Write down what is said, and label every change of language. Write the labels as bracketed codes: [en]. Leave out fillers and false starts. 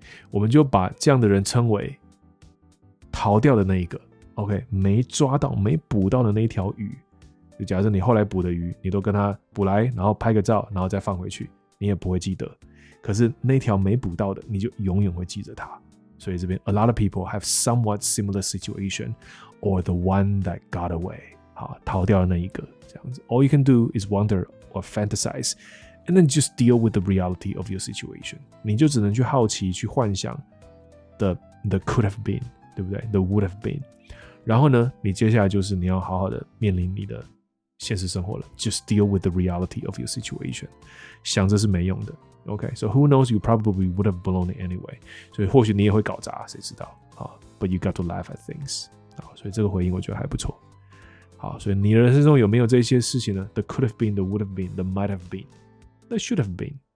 [zh] 我们就把这样的人称为逃掉的那一个 ，OK， 没抓到、没捕到的那一条鱼。就假设你后来捕的鱼，你都跟他捕来，然后拍个照，然后再放回去，你也不会记得。可是那条没捕到的，你就永远会记着他。所以这边 [en] a lot of people have somewhat similar situation, or the one that got away, [zh] 好，逃掉的那一个，这样子。 [en] All you can do is wonder or fantasize, and then just deal with the reality of your situation. [zh] 你就只能去好奇，去幻想 [en] the could have been, [zh] 对不对 ？ [en] The would have been. [zh] 然后呢，你接下来就是你要好好的面临你的现实生活了。 [en] Just deal with the reality of your situation. [zh] 想着是没用的。 [en] Okay, so who knows, you probably would have blown it anyway. [zh] 所以或许你也会搞砸，谁知道。 [en] But you got to laugh at things. [zh] 好，所以这个回应我觉得还不错。好，所以你的人生中有没有这些事情呢 [en] ?The could have been, the would have been, the might have been, the should have been.